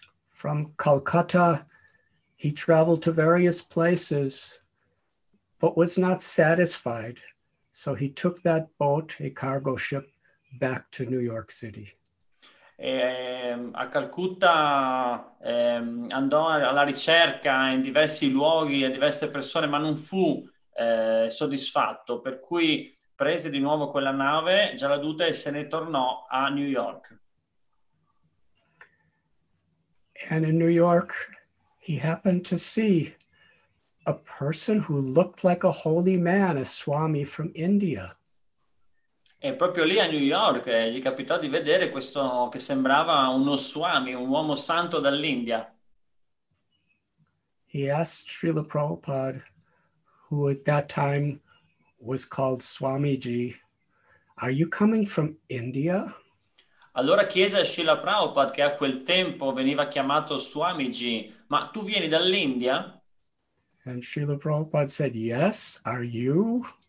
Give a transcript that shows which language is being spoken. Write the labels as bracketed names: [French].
[English] From Calcutta he traveled to various places but was not satisfied, so he took that boat, a cargo ship, back to New York City. [Italian] A Calcutta andò alla ricerca in diversi luoghi e diverse persone, ma non fu soddisfatto, per cui prese di nuovo quella nave, Jaladuta, e se ne tornò a New York. [English] And in New York he happened to see a person who looked like a holy man, a Swami from India. [Italian] E proprio lì a New York gli capitò di vedere questo che sembrava uno Swami, un uomo santo dall'India. [English] He asked Srila Prabhupada, who at that time was called Swamiji, "Are you coming from India?" [Italian] Allora chiese a Srila Prabhupada, che a quel tempo veniva chiamato Swamiji, "Ma tu vieni dall'India?" [English] And Srila Prabhupada said, "Yes, are you?"